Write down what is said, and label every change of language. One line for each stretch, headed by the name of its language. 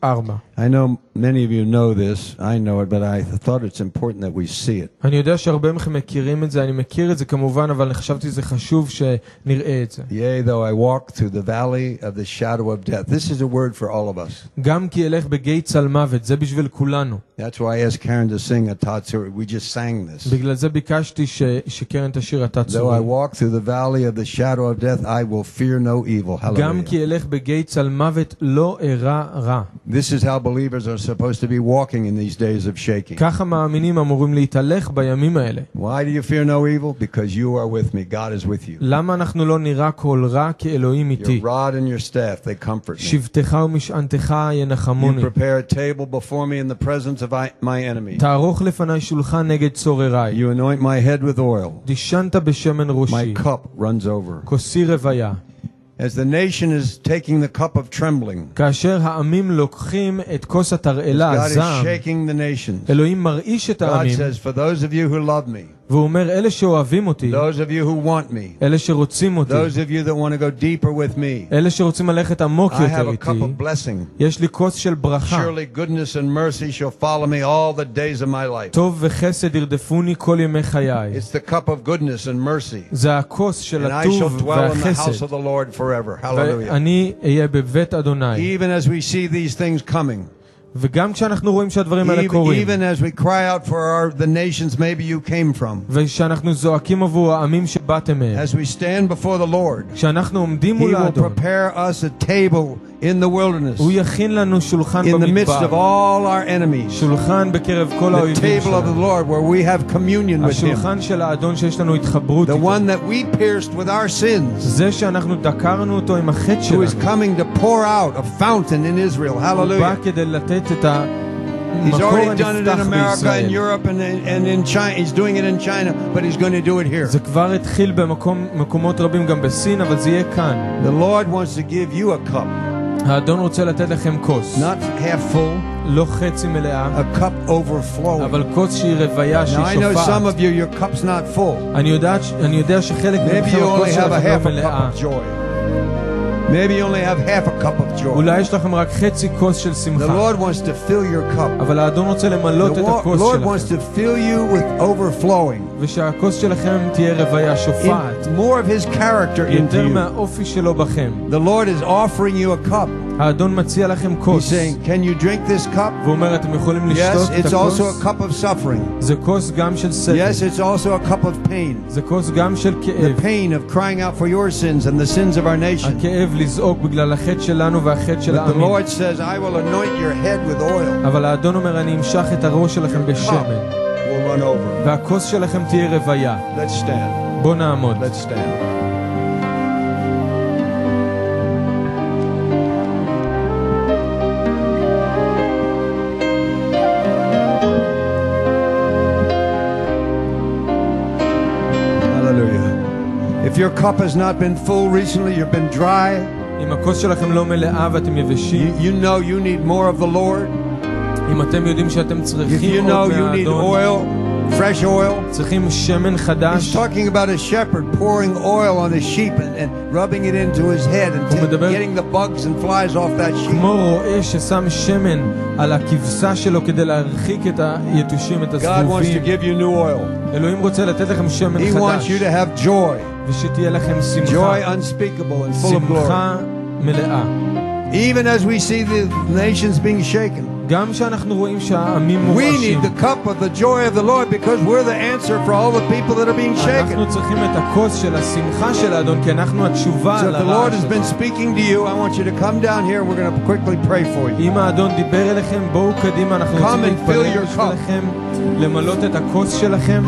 English: 4. I know many of you know this, I know it, but I thought it's important that we see it.
Hebrew: אני יודע שהרבה מכם מכירים את זה, אני מכיר את זה כמובן, אבל חשבתי זה חשוב שנראה את זה.
English: Yea, though I walk through the valley of the shadow of death. This is a word for all of us.
Hebrew: גם כי אלך בגיא צל מוות, זה בשביל כולנו.
English: That's why I asked Karen to sing a tatsuri. We just sang this.
Hebrew: בגלל זה ביקשתי שקרן תשיר התצורה.
English: Though I walk through the valley of the shadow of death, I will fear no evil. Hallelujah.
Hebrew: גם כי אלך בגיא צל מוות, לא אירא רע.
English: This is how believers are supposed to be walking in these days of shaking.
Hebrew: ככה מאמינים אמורים להתהלך בימים האלה.
English: Why do you fear no evil? Because you are with me. God is with you.
Hebrew: למה אנחנו לא נירא כל רע? כי אלוהים איתי.
English: Your rod and your staff, they comfort me.
Hebrew: שבטך ומשענתך ינחמוני.
English: You prepare a table before me in the presence of my enemy.
Hebrew: תערוך לפני שולחן נגד צורריי.
English: You anoint my head with oil.
Hebrew: דשנת בשמן ראשי.
English: My cup runs over.
Hebrew: כוסי רוויה.
English: As the nation is taking the cup of trembling.
Hebrew: כאשר העמים לוקחים את כוס התרעלה, זעם.
English: God is shaking the nations.
Hebrew: אלוהים מרעיש את העמים.
English: God says, for those of you who love me.
Hebrew: והוא אומר, אלה שאוהבים אותי.
English: Those of you who want me.
Hebrew: אלה שרוצים אותי.
English: Those of you that want to go deeper with me.
Hebrew: אלה שרוצים ללכת עמוק יותר איתי.
English: I have a cup of blessing.
Hebrew: יש לי כוס של ברכה.
English: Surely goodness and mercy shall follow me all the days of my life.
Hebrew: טוב וחסד ירדפוני כל ימי חיי.
English: It's the cup of goodness and mercy.
Hebrew: זה הכוס של הטוב והחסד.
English: And I shall dwell in the house of the Lord forever. Hallelujah.
Hebrew: אני אהיה בבית אדוני.
English: Even as we see these things coming.
Hebrew: וגם כשאנחנו רואים שהדברים האלה קורים.
English: Even as we cry out for the nations maybe you came from.
Hebrew: וכשאנחנו זועקים עבור העמים שבאתם מהם.
English: As we stand before the Lord.
Hebrew: כשאנחנו עומדים מול האדון.
English: He will prepare us a table in the wilderness.
Hebrew: הוא יכין לנו שולחן במדבר.
English: In the midst of all our enemies.
Hebrew: שולחן בקרב כל האויבים שלנו.
English: The table of the Lord where we have communion with him.
Hebrew: השולחן של האדון שיש לנו התחברות איתו.
English: The one that we pierced with our sins.
Hebrew: זה שאנחנו דקרנו אותו עם החטא שלנו.
English: Who is coming to pour out a fountain in Israel. Hallelujah. He's already done it in America and Europe and in China. He's doing it in China, but he's going to do it here.
Hebrew: זה כבר התחיל במקומות רבים גם בסין, אבל זה יהיה כאן.
English: The Lord wants to give you a cup.
Hebrew: האדון רוצה לתת לכם כוס.
English: Not half full.
Hebrew: לא חצי מלאה.
English: A cup overflowing.
Hebrew: אבל כוס שהיא רוויה, שהיא שופעת.
English: I know some of you, your cup's not full.
Hebrew: אני יודע שחלק מכם הכוס שלכם לא מלאה.
English: Maybe you only have a half a cup of joy. Maybe you only have half a cup of joy.
Hebrew: אולי יש לכם רק חצי כוס של שמחה.
English: The Lord wants to fill your cup.
Hebrew: אבל האדון רוצה למלא את הכוס שלכם.
English: The Lord wants to fill you with overflowing.
Hebrew: ושהכוס שלכם תהיה רוויה שופעת.
English: More of his character in you.
Hebrew: יותר מהאופי שלו בכם.
English: The Lord is offering you a cup.
Hebrew: האדון מציע לכם כוס.
English: He's saying, can you drink this cup?
Hebrew: והוא אומר, אתם יכולים לשתות את הכוס?
English: Yes, it's also a cup of suffering.
Hebrew: זה כוס גם של סבל.
English: Yes, it's also a cup of pain.
Hebrew: זה כוס גם של כאב.
English: The pain of crying out for your sins and the sins of our nation.
Hebrew: הכאב לזעוק בגלל החטא שלנו והחטא של העמים.
English: The Lord says, I will anoint your head with oil.
Hebrew: אבל האדון אומר, אני אמשח את הראש שלכם בשמן.
English: We'll run over.
Hebrew: והכוס שלכם תהיה רוויה.
English: Let's stand.
Hebrew: בוא נעמוד.
English: Let's stand. If your cup has not been full recently, you've been dry.
Hebrew: אם הכוס שלכם לא מלאה ואתם יבשים.
English: You know you need more of the Lord.
Hebrew: אם אתם יודעים שאתם צריכים עוד מהאדון.
English: You know you need oil. fresh oil.
Hebrew: צריכים שמן חדש.
English: He's talking about a shepherd pouring oil on his sheep and rubbing it into his head and getting the bugs and flies off that sheep.
Hebrew: כמו רועה ששם שמן על הכבשה שלו כדי להרחיק את היתושים, את הזבובים.
English: God wants to give you new oil.
Hebrew: אלוהים רוצה לתת לכם שמן חדש.
English: He wants you to have joy.
Hebrew: ושתהיה לכם שמחה.
English: Joy unspeakable and full of glory.
Hebrew: שמחה מלאה.
English: Even as we see the nations being shaken.
Hebrew: גם שאנחנו רואים שהעמים מורשים.
English: We need the cup of the joy of the Lord because we're the answer for all the people that are being shaken.
Hebrew: אנחנו צריכים את הכוס של השמחה של האדון, כי אנחנו התשובה לרעש.
English: So the Lord has been speaking to you. I want you to come down here. We're going to quickly pray for you.
Hebrew: אם האדון דיבר אליכם, בואו קדימה. אנחנו רוצים להתפלל בשבילכם, למלות את הכוס שלכם.